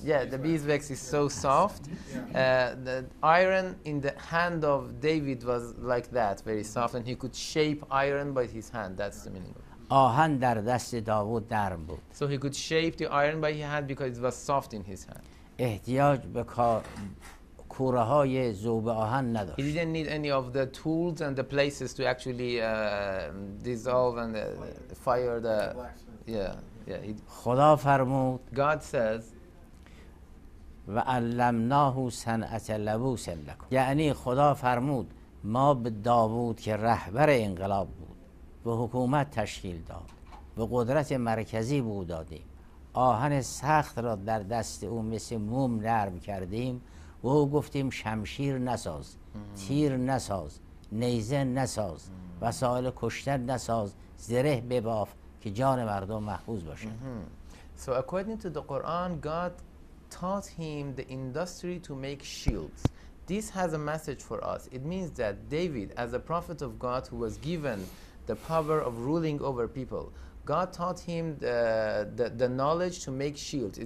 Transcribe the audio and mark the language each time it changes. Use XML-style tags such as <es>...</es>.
<en>Yeah, the beeswax is so soft. Yeah. The iron in the hand of David was like that, very soft, and he could shape iron by his hand. That's the meaning.</en> <fa>آهن در دست داوود نرم بود.</fa> <en>So he could shape the iron by his hand because it was soft in his hand.</en> <fa>احتیاج به کوره‌های ذوب آهن نداشت.</fa> <en>He didn't need any of the tools and the places to actually dissolve and fire the. Yeah.</en> <fa>خدا فرمود.</fa> <en>God says.</en> <ar>و علمناه صنعت لبوس لکم.</ar> <fa>یعنی خدا فرمود ما به داوود که رهبر انقلاب بود و حکومت تشکیل داد و قدرت مرکزی به او دادیم، آهن سخت را در دست او مثل موم نرم کردیم و او گفتیم شمشیر نساز، تیر نساز، نیزه نساز، وسایل کشتن نساز، زره بباف که جان مردم محفوظ باشه.</fa> <en>So according to the Quran, God taught him the industry to make shields. This has a message for us. It means that David, as a prophet of God who was given the power of ruling over people, God taught him the knowledge to make shields.</en>